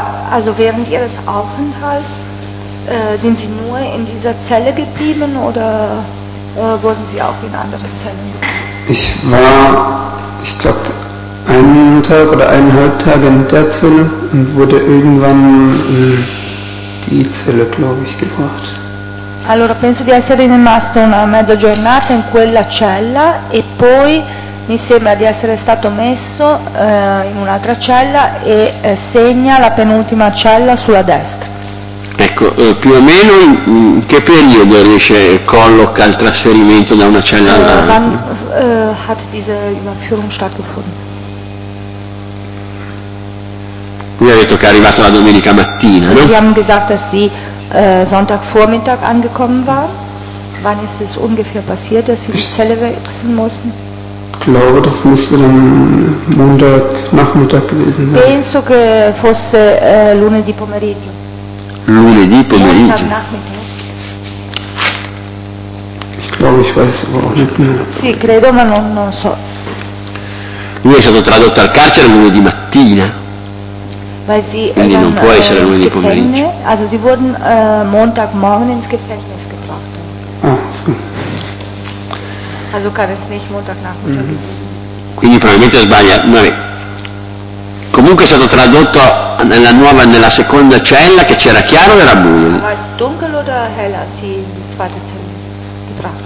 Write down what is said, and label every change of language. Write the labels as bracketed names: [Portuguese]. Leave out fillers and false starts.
[German] Also während ihres Aufenthalts sind sie nur in dieser Zelle geblieben oder wurden sie auch in andere Zellen? Ich war, ich glaube, einen Tag oder eineinhalb Tage in der Zelle und wurde irgendwann in die Zelle, glaube ich, gebracht. [Italian] Allora, penso di essere rimasto una mezza giornata in quella cella e poi mi sembra di essere stato messo in un'altra cella e segna la penultima cella sulla destra. Ecco, più o meno in che periodo riesce, colloca il trasferimento da una cella all'altra? [German] Wann hat diese Überführung stattgefunden? [Italian] Lui ha detto che è arrivato la domenica mattina, no? Abbiamo detto sì. [German] Sonntag Vormittag angekommen war. Wann ist es ungefähr passiert, dass sie die Zelle wechseln mussten? Ich glaube, das müsste dann Montag Nachmittag gewesen sein. [Italian] Penso che fosse lunedì pomeriggio. Lunedì pomeriggio. [German] Montag Nachmittag. Ich glaube, ich weiß aber auch nicht mehr. [Italian] Sì, credo, ma non so. Lui è stato tradotto al carcere lunedì mattina. [German] Weil sie [Italian] quindi non può essere lunedì pomeriggio. [German] Also sie wurden Montagmorgen ins Gefängnis gebracht. Ah, also kann es nicht Montagnachmittag. Mm-hmm. [Italian] Quindi probabilmente sbaglia. Vabbè. Comunque è stato tradotto nella nuova, nella seconda cella che c'era chiaro o era buio? [German] War es dunkel oder hell, als sie in die zweite Zelle gebracht